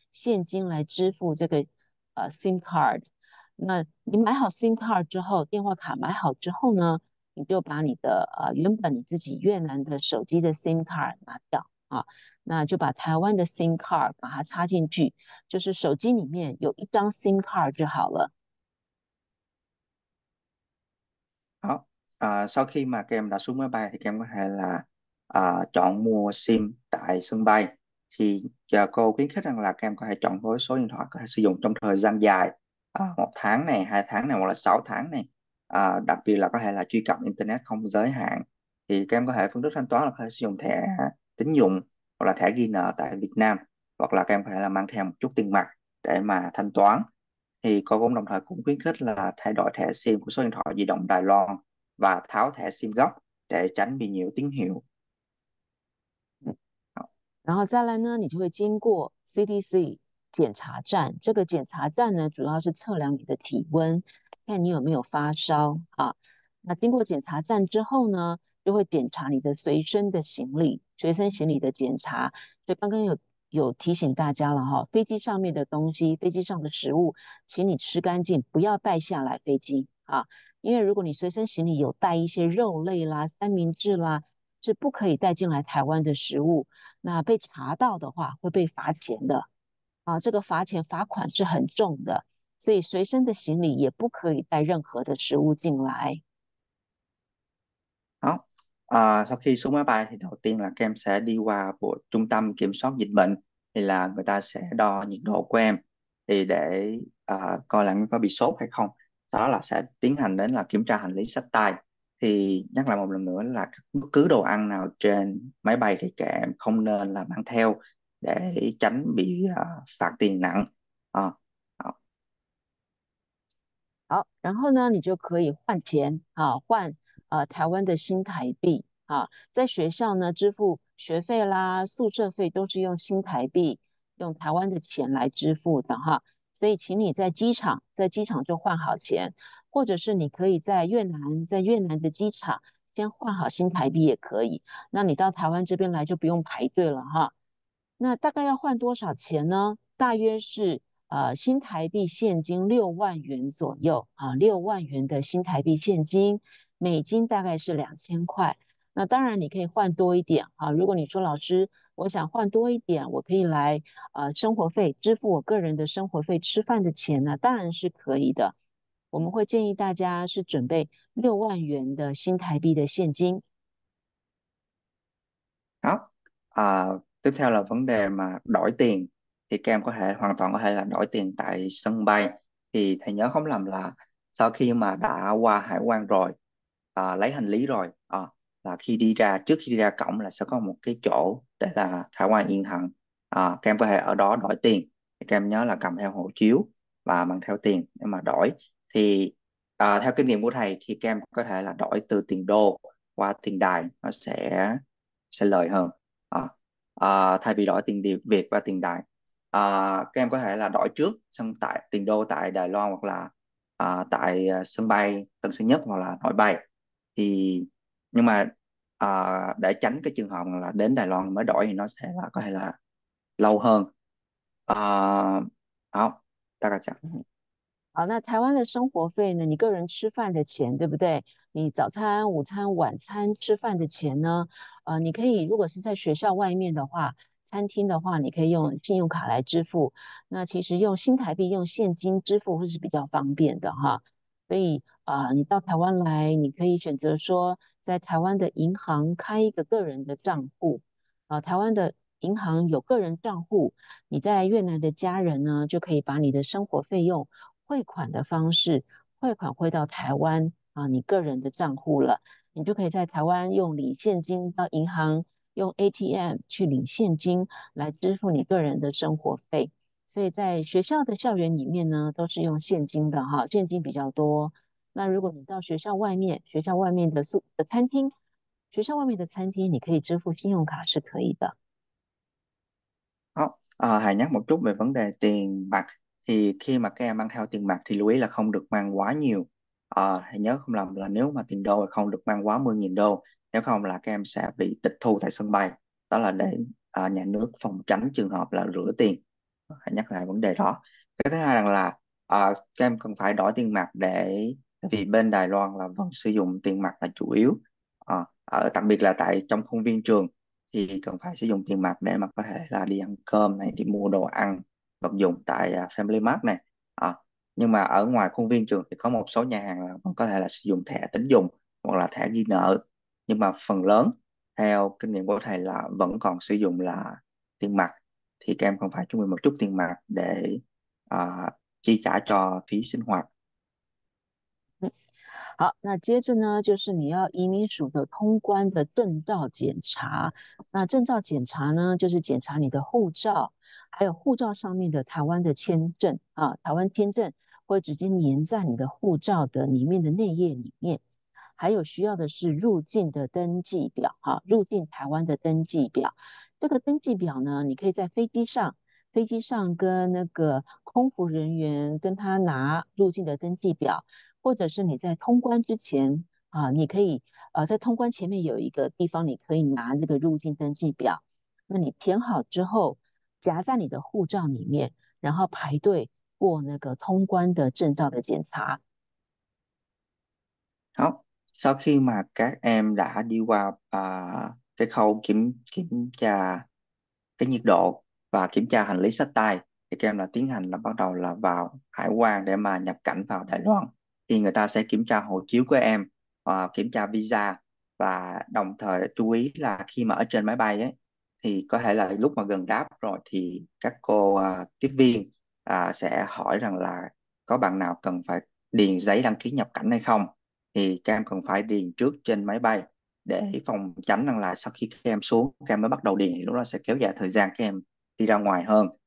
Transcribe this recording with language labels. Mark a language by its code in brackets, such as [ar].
[zh] 现金来支付这个SIM card，那你买好 SIM card 之后，电话卡买好之后呢，你就把你的原本你自己越南的手机的 SIM card 拿掉啊，那就把台湾的 SIM card 把它插进去，就是手机里面有一张 SIM card 就好了。 [vi] Sau khi mà các em đã xuống máy bay thì các em có thể là chọn mua SIM tại sân bay. Thì cô khuyến khích rằng là các em có thể chọn với số điện thoại có thể sử dụng trong thời gian dài, 1 tháng này, 2 tháng này hoặc là 6 tháng này, đặc biệt là có thể là truy cập internet không giới hạn. Thì các em có thể phương thức thanh toán là có thể sử dụng thẻ tín dụng hoặc là thẻ ghi nợ tại Việt Nam, hoặc là các em có thể là mang theo một chút tiền mặt để mà thanh toán. Thì cô cũng đồng thời cũng khuyến khích là thay đổi thẻ SIM của số điện thoại di động Đài Loan và tháo thẻ SIM gốc để tránh bị nhiễu tín hiệu. [zh] 然后再来呢，你就会经过 CDC 检查站。这个检查站呢，主要是测量你的体温，看你有没有发烧啊。那经过检查站之后呢，就会检查你的随身的行李，随身行李的检查。就刚刚有提醒大家了哈，飞机上面的东西，飞机上的食物，请你吃干净，不要带下来飞机啊。因为如果你随身行李有带一些肉类啦、三明治啦。是不可以带进来台湾的食物，那被查到的话会被罚钱的，啊，这个罚钱罚款是很重的，所以随身的行李也不可以带任何的食物进来。 [vi] Sau khi xuống máy bay thì đầu tiên là các em sẽ đi qua bộ trung tâm kiểm soát dịch bệnh, thì là người ta sẽ đo nhiệt độ của em thì để coi là em có bị sốt hay không. Sau đó là sẽ tiến hành đến là kiểm tra hành lý xách tay. Thì nhắc lại một lần nữa là bất cứ đồ ăn nào trên máy bay thì các em không nên là mang theo để tránh bị phạt tiền nặng. [zh] 好，然后呢，你就可以换钱啊，换台湾的新台币啊，在学校呢支付学费啦、宿舍费都是用新台币，用台湾的钱来支付的哈。所以，请你在机场就换好钱，或者是你可以在越南的机场先换好新台币也可以。那你到台湾这边来就不用排队了哈。那大概要换多少钱呢？大约是。新台币现金6万元左右啊，6万元的新台币现金，美金大概是2000块。那当然你可以换多一点啊，如果你说老师，我想换多一点，我可以来生活费支付我个人的生活费吃饭的钱呢，当然是可以的。我们会建议大家是准备6万元的新台币的现金。 [vi] Tiếp theo là vấn đề mà đổi tiền, thì các em có thể hoàn toàn có thể là đổi tiền tại sân bay. Thì thầy nhớ không lầm là sau khi mà đã qua hải quan rồi, lấy hành lý rồi, là khi đi ra, trước khi đi ra cổng là sẽ có một cái chỗ để là khả quan yên hẳn. À, các em có thể ở đó đổi tiền, các em nhớ là cầm theo hộ chiếu và mang theo tiền để mà đổi. Thì theo kinh nghiệm của thầy thì các em có thể là đổi từ tiền đô qua tiền đài, nó sẽ lợi hơn. Thay vì đổi tiền Việt qua tiền đài, các em có thể là đổi trước xong tại tiền đô tại Đài Loan hoặc là tại sân bay Tân Sơn Nhất hoặc là nội bay. Thì nhưng mà để tránh cái trường hợp là đến Đài Loan mới đổi thì nó sẽ là có thể là lâu hơn. Đó, ta cả [zh] 好，那台湾的生活费呢？你个人吃饭的钱，对不对？你早餐、午餐、晚餐吃饭的钱呢？你可以如果是在学校外面的话，餐厅的话，你可以用信用卡来支付。那其实用新台币、用现金支付会是比较方便的哈。所以你到台湾来，你可以选择说在台湾的银行开一个个人的账户。台湾的银行有个人账户，你在越南的家人呢，就可以把你的生活费用汇款的方式汇款汇到台湾你个人的账户了，你就可以在台湾用领现金到银行用 ATM 去领现金来支付你个人的生活费。所以在学校的校园里面呢，都是用现金的哈，现金比较多。那如果你到学校外面，学校外面的宿的餐厅，学校外面的餐厅，你可以支付信用卡是可以的。 [vi] Hãy nhắc một chút về vấn đề tiền mặt. Thì khi mà các em mang theo tiền mặt thì lưu ý là không được mang quá nhiều. Hãy nhớ không lầm là nếu mà tiền đô thì không được mang quá 10.000 đô, nếu không là các em sẽ bị tịch thu tại sân bay. Đó là để nhà nước phòng tránh trường hợp là rửa tiền. Hãy nhắc lại vấn đề đó. Cái thứ hai rằng là các em cần phải đổi tiền mặt, để vì bên Đài Loan là vẫn sử dụng tiền mặt là chủ yếu. Đặc biệt là tại trong khuôn viên trường thì cần phải sử dụng tiền mặt để mà có thể là đi ăn cơm này, đi mua đồ ăn vật dụng tại Family Mart này. Nhưng mà ở ngoài khuôn viên trường thì có một số nhà hàng là vẫn có thể là sử dụng thẻ tín dụng hoặc là thẻ ghi nợ, nhưng mà phần lớn theo kinh nghiệm của thầy là vẫn còn sử dụng là tiền mặt. Thì các em cần phải chuẩn bị một chút tiền mặt để chi trả cho phí sinh hoạt. [zh] 好，那接着呢，就是你要移民署的通关的证照检查。那证照检查呢，就是检查你的护照，还有护照上面的台湾的签证啊，台湾签证会直接粘在你的护照的里面的内页里面。还有需要的是入境的登记表啊，入境台湾的登记表。这个登记表呢，你可以在飞机上跟那个空服人员跟他拿入境的登记表。或者是你在通关之前你可以在通关前面有一个地方，你可以拿那个入境登记表，那你填好之后夹在你的护照里面，然后排队过那个通关的证照的检查。 [vi] Sau khi mà các em đã đi qua cái khâu kiểm tra cái nhiệt độ và kiểm tra hành lý xách tay, thì các em là tiến hành là bắt đầu là vào hải quan để mà nhập cảnh vào Đài Loan. Thì người ta sẽ kiểm tra hộ chiếu của em và kiểm tra visa, và đồng thời chú ý là khi mà ở trên máy bay ấy, thì có thể là lúc mà gần đáp rồi thì các cô tiếp viên sẽ hỏi rằng là có bạn nào cần phải điền giấy đăng ký nhập cảnh hay không, thì các em cần phải điền trước trên máy bay để phòng tránh rằng là sau khi các em xuống các em mới bắt đầu điền thì lúc đó sẽ kéo dài thời gian các em đi ra ngoài hơn.